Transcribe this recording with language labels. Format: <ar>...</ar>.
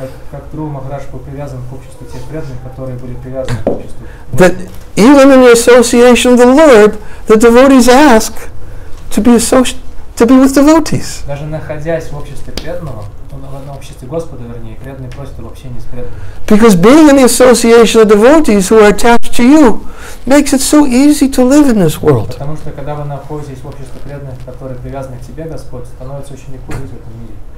<ru>Как Дхрува Махарадж был привязан к обществу тех преданных, которые были привязаны к обществу.</ru> <en>That even in the association of the Lord, the devotees ask to be with devotees.</en> <ru>Даже находясь в обществе преданного, в одном обществе Господа, вернее, преданный просит об общении с преданными.</ru> <en>Because being in the association of devotees who are attached to you makes it so easy to live in this world.</en> <ru>Потому что когда вы находитесь в обществе преданных, которые привязаны к тебе, Господь, становится очень легко жить в этом мире.</ru>